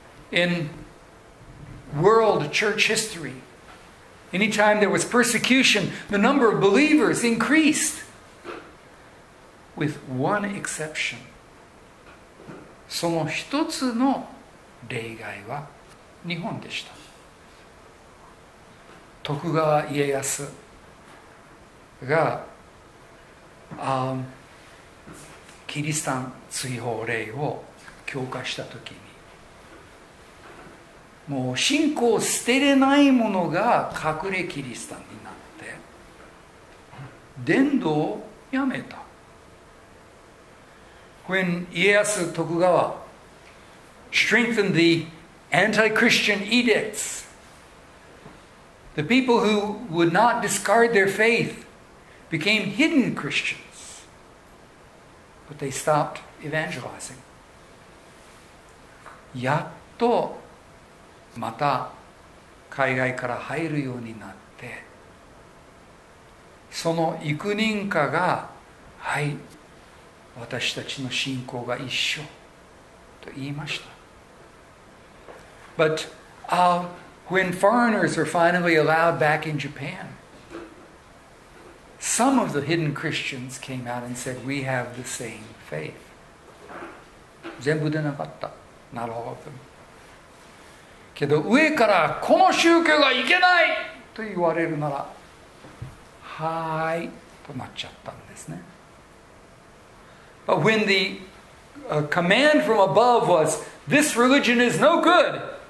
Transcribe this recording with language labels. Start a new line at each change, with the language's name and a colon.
English: In world church history, anytime there was persecution, the number of believers increased. With one exception,
Japanese: その一つの例外は日本でした。徳川家康が、キリスタン追放令を強化したときに、もう信仰を捨てれないものが隠れキリスタンになって伝道をやめた。
English: When 家康徳川 strengthened the anti-Christian edicts, the people who would not discard their faith became hidden Christians. But they stopped evangelizing.
Japanese: やっとまた海外から入るようになって、その幾人かが、はい、私たちの信仰が一緒と言いました。
English: But When foreigners were finally allowed back in Japan, some of the hidden Christians came out and said, we have the same faith.
Japanese: 全部でなかった。
English: Not all of them.
Japanese: けど上からこの宗教がいけないと言われるなら、はーいとなっちゃったんですね。
English: But when the command from above was, this religion is no good,